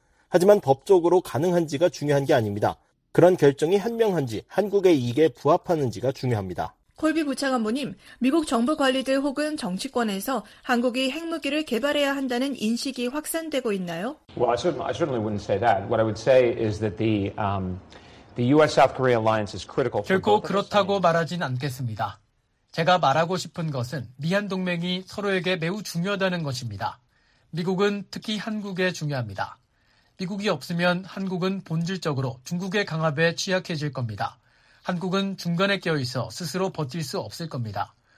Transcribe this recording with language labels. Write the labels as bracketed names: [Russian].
[Korean] 하지만 법적으로 가능한지가 중요한 게 아닙니다. 그런 결정이 현명한지 한국의 이익에 부합하는지가 중요합니다. 콜비 부차관보님, 미국 정부 관리들 혹은 정치권에서 한국이 핵무기를 개발해야 한다는 인식이 확산되고 있나요? [English] Well, I certainly wouldn't say that. What I would say is that the US-South Korea alliance is critical. [Korean] 결코 그렇다고 말하진 않겠습니다. 제가 말하고 싶은 것은 미한 동맹이 서로에게 매우 중요하다는 것입니다. 미국은 특히 한국에 중요합니다. 미국이 없으면 한국은 본질적으로 중국의 강압에 취약해질 겁니다. 한국은 중간에 껴있어 스스로 버틸 수 없을 겁니다.